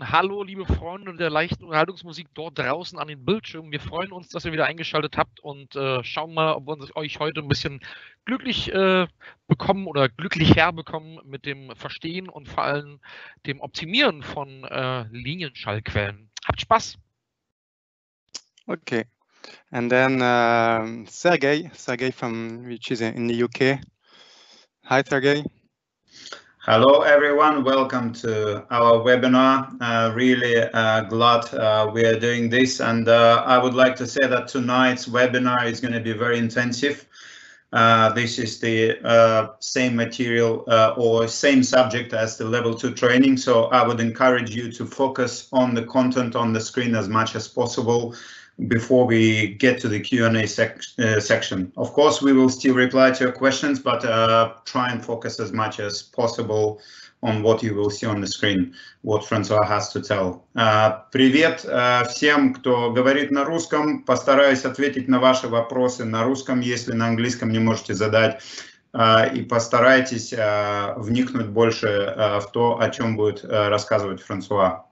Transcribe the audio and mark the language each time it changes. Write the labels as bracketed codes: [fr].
[de] Hallo liebe Freunde der leichten Unterhaltungsmusik dort draußen an den Bildschirmen. Wir freuen uns, dass ihr wieder eingeschaltet habt und schauen mal, ob wir euch heute ein bisschen glücklich bekommen oder glücklich herbekommen mit dem Verstehen und vor allem dem Optimieren von Linienschallquellen. Habt Spaß! [en] Okay, and then Sergei from, which is in the UK. Hi Sergei. Hello everyone, welcome to our webinar. Really glad we are doing this, and I would like to say that tonight's webinar is going to be very intensive. This is the same material or same subject as the level 2 training, so I would encourage you to focus on the content on the screen as much as possible before we get to the Q&A section. Of course, we will still reply to your questions, but try and focus as much as possible on what you will see on the screen, what François has to tell. [ru] Привет всем, кто говорит на русском. Постараюсь ответить на ваши вопросы на русском, если на английском не можете задать. И постарайтесь вникнуть больше в то, о чем будет рассказывать Франсуа.